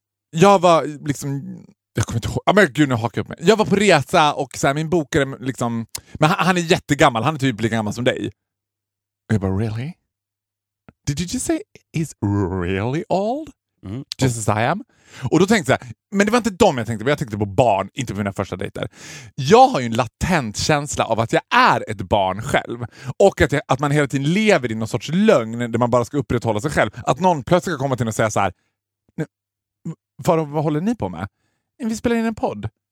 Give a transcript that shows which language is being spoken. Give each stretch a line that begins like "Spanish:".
Swedish: Jag var liksom... Jag kommer inte ihåg. Men gud, nu hakar jag upp mig. Jag var på resa och så här, min bokare liksom... Men han är jättegammal. Han är typ lika gammal som dig. Och jag bara,
English: really? Did you just say he's really old? Just as I am.
Swedish: Och då tänkte jag, men det var inte dem jag tänkte på. Jag tänkte på barn, inte på mina första dejter. Jag har ju en latent känsla av att jag är ett barn själv. Och att man hela tiden lever i någon sorts lögn där man bara ska upprätthålla sig själv. Att någon plötsligt ska komma till och säga så här: Faro, vad håller ni på med? Vi spelar in en podd.